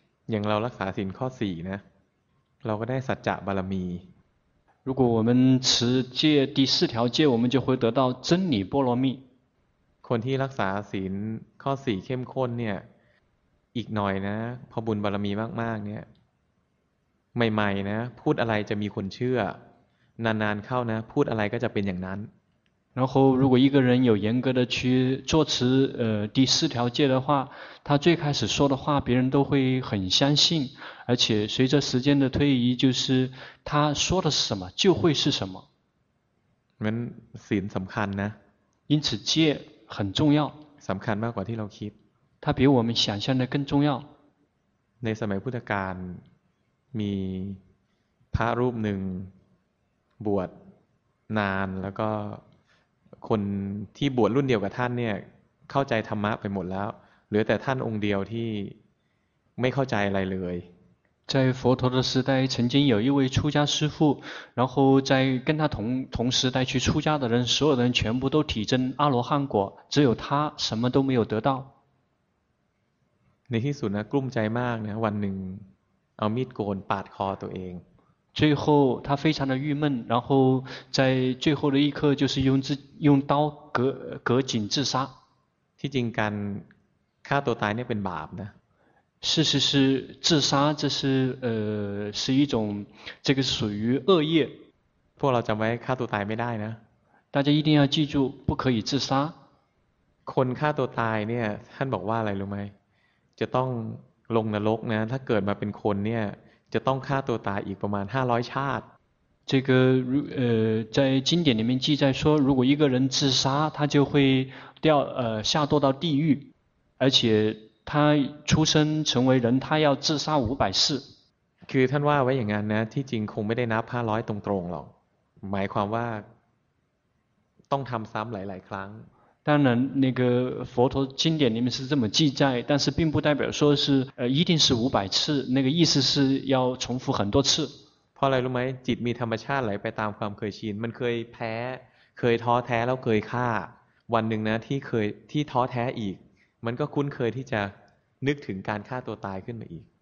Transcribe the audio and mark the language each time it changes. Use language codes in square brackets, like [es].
[th] อย่างเรารักษาศีลข้อ4นะเราก็ได้สัจจะบารมี [zh] 如果我们持戒第四条戒我们就会得到真理波罗蜜 [th] คนที่รักษาศีลข้อ4เข้มข้นเนี่ยอีกหน่อยนะพอบุญบารมีมากๆเนี่ยใหม่ๆนะพูดอะไรจะมีคนเชื่อนานๆเข้านะพูดอะไรก็จะเป็นอย่างนั้น [zh] 然后如果一个人有严格的去做持第四条戒的话他最开始说的话别人都会很相信而且随着时间的推移就是他说的是什么就会是什么 [th] นั้นศีลสำคัญนะ [zh] 因此戒很重要 [th] สำคัญมากกว่าที่เราคิด [zh] 它比我们想象的更重要 [th] ในสมัยพุทธกาลมีพระรูปหนึ่งบวชนานแล้วก็คนที่บวชรุ่นเดียวกับท่านเนี่ยเข้าใจธรรมะไปหมดแล้วเหลือแต่ท่านองค์เดียวที่ไม่เข้าใจอะไรเลย [zh] 在佛陀的时代曾经有一位出家师父然后在跟他同时代去出家的人所有人全部都体证阿罗汉果只有他什么都没有得到 [th] ในที่สุดนะกลุ้มใจมากนะวันหนึ่งเอามีดโกนปาดคอตัวเอง [zh] 最后他非常的郁闷然后在最后的一刻就是用刀割颈自杀 [th] ที่จริงการฆ่าตัวตายเนี่ยเป็นบาปนะ [zh] 事实是自杀这是是一种这个属于恶业 [th] พวกเราจำไว้ฆ่าตัวตายไม่ได้นะ [zh] 大家一定要记住不可以自杀 [th] คนฆ่าตัวตายเนี่ยท่านบอกว่าอะไรรู้ไหมจะต้องลงนรกนะถ้าเกิดมาเป็นคนเนี่ยจะต้องฆ่าตัวตายอีกประมาณ500ชาติ [zh] 这个在经典里面记载说如果一个人自杀他就会掉下堕到地狱而且他出生成为人他要自杀500世 [th] คือท่านว่าไว้อย่างนั้นนะที่จริงคงไม่ได้นับ500ตรงๆหรอกหมายความว่าต้องทำซ้ำหลายๆครั้ง [zh] 当然那个佛陀经典里面是这么记载但是并不代表说是一定是五百次那个意思是要重复很多次 [th] เพราะอะไรรู้ไหมจิตมีธรรมชาติไหลไปตามความเคยชินมันเคยแพ้เคยท้อแท้แล้วเคยฆ่าวันหนึ่งนะที่เคยที่ท้อแท้อีกมันก็คุ้นเคยที่จะนึกถึงการฆ่าตัวตายขึ้นมาอีก